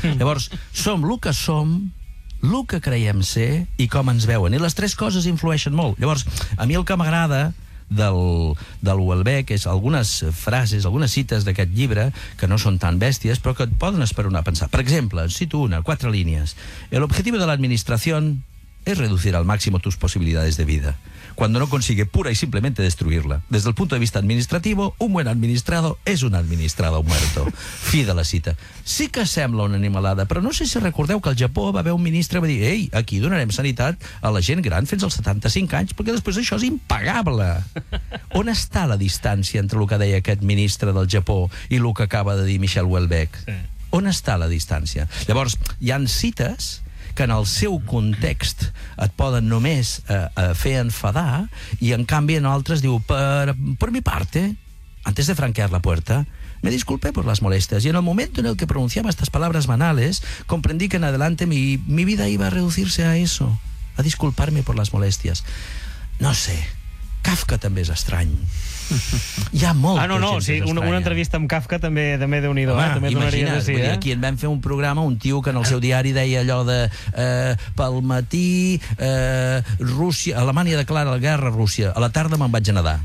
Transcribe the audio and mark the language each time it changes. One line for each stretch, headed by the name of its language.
Catalan: Llavors, som el que som, el que creiem ser i com ens veuen. I les tres coses influeixen molt. Llavors, a mi el que m'agrada del Houellebecq és algunes frases, algunes cites d'aquest llibre que no són tan bèsties, però que et poden esperonar a pensar. Per exemple, cito una, quatre línies.
Spanish: El objetivo de la administración es reducir al máximo tus posibilidades de vida, cuando no consigue pura y simplemente destruirla. Desde el punto de vista administrativo, un buen administrado es un administrado muerto.
Catalan: Fi de la cita. Sí que sembla una animalada, però no sé si recordeu que al Japó va haver un ministre que va dir: ei, aquí donarem sanitat a la gent gran fins als 75 anys, perquè després això és impagable. On està la distància entre el que deia aquest ministre del Japó i el que acaba de dir Michel Houellebecq? Sí. On està la distància? Llavors, hi han cites que en el seu context et poden només fer enfadar, i en canvi en altres diu:
Spanish: per mi parte, antes de franquear la puerta, me disculpe por las molestias, y en el momento en el que pronunciaba estas palabras banales, comprendí que en adelante mi vida iba a reducirse a eso, a disculparme por las molestias.
Catalan: No sé, Kafka també és estrany. Hi ha molta gent que és estranya. Una entrevista amb Kafka també déu-n'hi-do. Imagina't, aquí en vam fer un programa, un tio que en el seu diari deia allò de pel matí Rússia, Alemanya declara la guerra a Rússia, a la tarda me'n vaig a nedar.